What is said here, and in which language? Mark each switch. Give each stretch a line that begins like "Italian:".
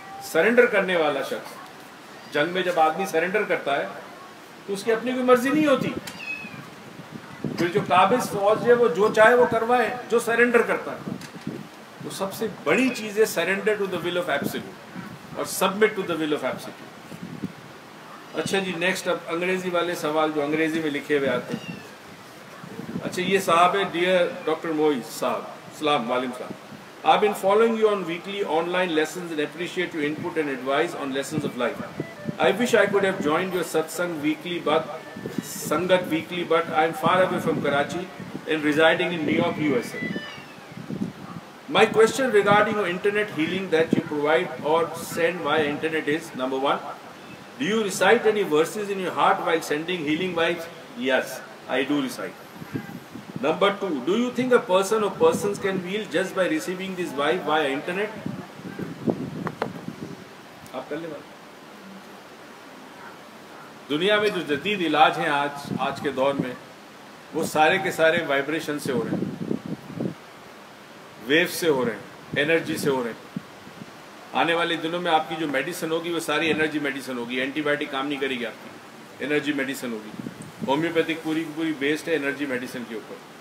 Urdu: Surrender کرنے والا شخص، جنگ میں جب آدمی سرنڈر کرتا ہے تو اس کی اپنی کوئی مرضی نہیں ہوتی، پھر جو قابض فوج ہے وہ جو چاہے وہ کروائے، جو سرنڈر کرتا ہے. تو سب سے بڑی چیز ہے
English: surrender to the will of absolute
Urdu: اور
English: Submit to the will of absolute.
Urdu: اچھا جی، نیکسٹ، اب انگریزی والے سوال جو انگریزی میں لکھے ہوئے آتے ہیں، اچھا یہ صاحب ہے ڈیئر ڈاکٹر موئز صاحب سلام معلم صاحب
English: I've been following you on weekly online lessons and appreciate your input and advice on lessons of life. I wish I could have joined your satsang weekly but sangat weekly but I'm far away from Karachi and residing in New York, USA. My question regarding your internet healing that you provide or send via internet is number one, do you recite any verses in your heart while sending healing vibes? Yes, I do recite. Number two, do you think a person or persons can heal just by receiving this vibe via internet?
Urdu: آپ کر لیں دنیا میں جو جدید علاج ہیں آج کے دور میں وہ سارے کے سارے وائبریشن سے ہو رہے ہیں ویو سے ہو رہے ہیں انرجی سے ہو رہے ہیں آنے والے دنوں میں آپ کی جو میڈیسن ہوگی وہ ساری انرجی میڈیسن ہوگی اینٹی بایوٹک کام نہیں کرے گی آپ کی انرجی میڈیسن ہوگی ہومیوپیتھک پوری پوری بیسڈ ہے انرجی میڈیسن کے اوپر